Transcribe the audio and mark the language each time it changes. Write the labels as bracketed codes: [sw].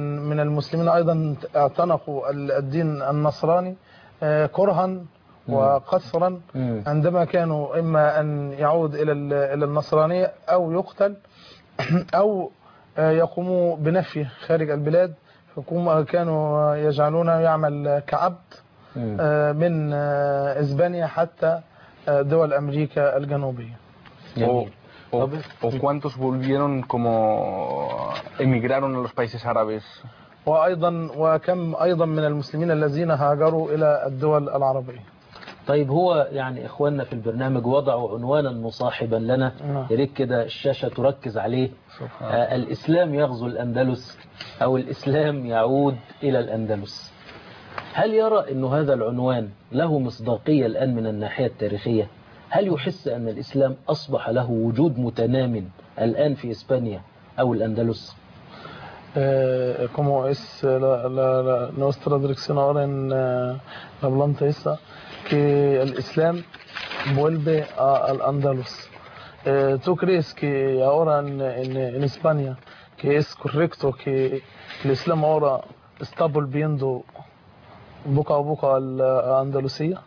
[ar] من المسلمين أيضا اعتنقوا الدين النصراني كرها وقسرا عندما كانوا إما أن يعود إلى النصرانية أو يقتل أو يقوموا بنفيه خارج البلاد، كانوا يجعلونه يعمل كعبد من إسبانيا حتى دول أمريكا الجنوبية. [es] ¿O cuántos volvieron como emigraron a los países árabes? [ar] وأيضا وكم أيضا من المسلمين الذين هاجروا إلى الدول العربية. طيب هو يعني إخواننا في البرنامج وضعوا عنوانا مصاحبا لنا، يريد كده الشاشة تركز عليه، الإسلام يغزو الأندلس أو الإسلام يعود إلى الأندلس. هل يرى إنه هذا العنوان له مصداقية الآن من الناحية التاريخية؟ هل يحس أن الإسلام أصبح له وجود متنام الآن في إسبانيا أو الأندلس؟ [es] Como es la nuestra dirección ahora en la planta esa, que el Islam vuelve al Andalus. ¿Tú crees que ahora en España que es correcto que el Islam ahora está volviendo boca a boca a Andalucía?